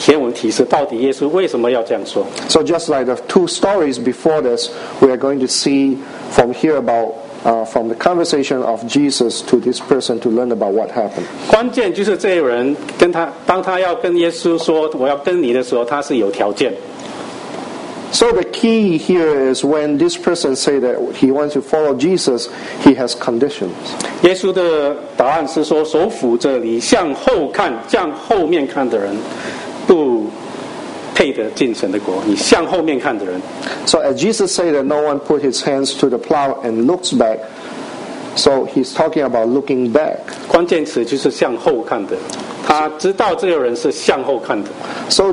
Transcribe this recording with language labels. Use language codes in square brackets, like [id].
[zh] 就好像前两个故事，其实圣经没有很清楚地跟我们说这个背景是怎么样子。但是我们要从耶稣的对白，我们要看出前文提示到底耶稣为什么要这样说。 [en] So just like the two stories before this, we are going to see from here about from the conversation of Jesus to this person to learn about what happened. [zh] 关键就是这个人跟他，当他要跟耶稣说我要跟你的时候，他是有条件。 [en] So the key here is when this person say that he wants to follow Jesus, he has conditions. [zh] 耶稣的答案是说，手扶着犁向后看，向后面看的人，不配得进神的国。你向后面看的人。 [en] So as Jesus said that no one put his hands to the plow and looks back, so he's talking about looking back. [zh] 关键词就是向后看的，他知道这个人是向后看的。 [en] So